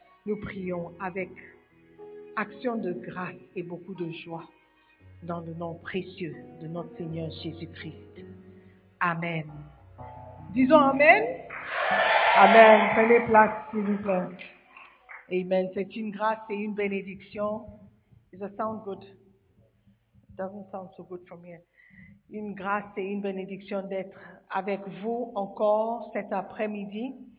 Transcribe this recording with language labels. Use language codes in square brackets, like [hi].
[fr] Nous prions avec action de grâce et beaucoup de joie dans le nom précieux de notre Seigneur Jésus-Christ. Amen. Disons Amen. Amen. Prenez place, s'il vous plaît. Amen. C'est une grâce et une bénédiction. [en] Does it sound good? It doesn't sound so good from here. [fr] Une grâce et une bénédiction d'être avec vous encore cet après-midi.